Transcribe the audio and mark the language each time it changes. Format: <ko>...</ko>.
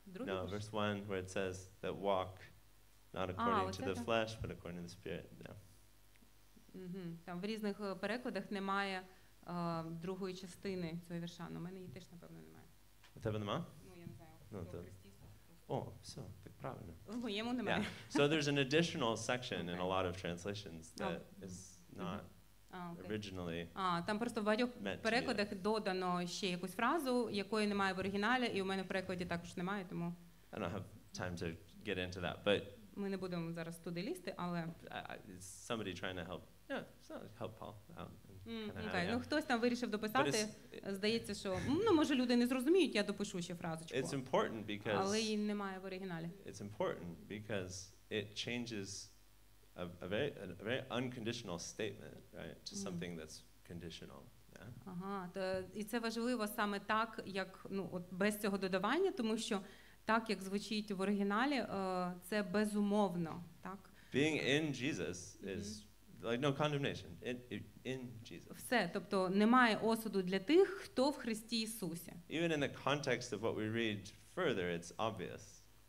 <en>No, verse one, where it says that walk not according to the flesh, but according to the Spirit.</en> <uk>Там в різних перекладах немає другої частини цього вірша. У мене її теж, напевно, немає. У тебе немає? Ну, я не знаю. Ну, то... О, все, так правильно. В моєму немає.</uk> <en>Yeah. So there's an additional section in a lot of translations that is not originally.</en> <uk>Там просто в багатьох перекладах додано ще якусь фразу, якої немає в оригіналі, і у мене в перекладі також немає, тому</uk> <en>I don't have time to get into that, but</en> <uk>ми не будемо зараз туди лізти, але</uk> <en>somebody trying to help. Yeah, help Paul out.</en> <uk>Ну, хтось там вирішив дописати, здається, що, ну, може, люди не зрозуміють, я допишу ще фразочку.</uk> <en>It's important because</en> <uk>але її немає в оригіналі.</uk> <en>It's important because it changes a very unconditional statement, right, to something that's conditional. Yeah.</en> <uk>Ага, то і це важливо саме так, як, ну, от без цього додавання, тому що так, як звучить в оригіналі, це безумовно, так?</uk> <en>Being in Jesus is like no condemnation in Jesus.</en> <uk>Все, тобто немає осуду для тих, хто в Христі Ісусі.</uk> <en>Even in the context of what we read further, it's obvious.</en>